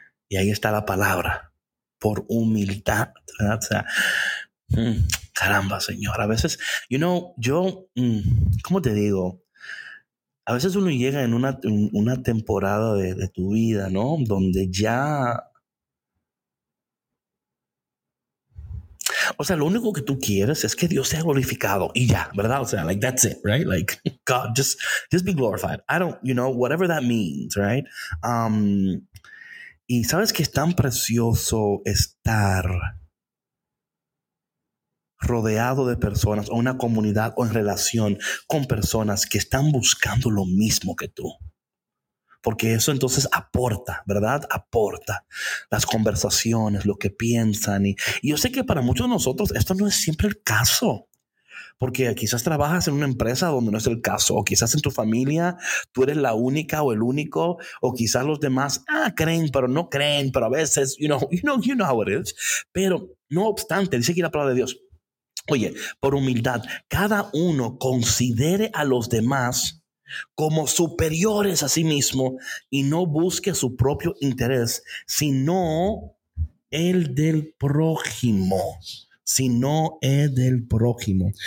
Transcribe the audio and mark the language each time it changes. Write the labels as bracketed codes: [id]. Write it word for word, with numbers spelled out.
[es] Y ahí está la palabra, por humildad. O sea, mm, caramba, Señor. A veces, [en] you know, [es] yo, mm, ¿cómo te digo? A veces uno llega en una, en una temporada de, de tu vida, ¿no? Donde ya O sea, lo único que tú quieres es que Dios sea glorificado y ya, ¿verdad? O sea, [en] like, that's it, right? Like, God, just, just be glorified. I don't, you know, whatever that means, right? [es] Um, y sabes que es tan precioso estar rodeado de personas o una comunidad o en relación con personas que están buscando lo mismo que tú. Porque eso entonces aporta, ¿verdad? Aporta las conversaciones, lo que piensan. Y, y yo sé que para muchos de nosotros esto no es siempre el caso. Porque quizás trabajas en una empresa donde no es el caso. O quizás en tu familia tú eres la única o el único. O quizás los demás ah, creen, pero no creen. Pero a veces, [en] you know, you know, you know how it is. [es] Pero no obstante, dice aquí la palabra de Dios. Oye, por humildad, cada uno considere a los demás como superiores a sí mismo y no busque su propio interés, sino el del prójimo, sino el del prójimo.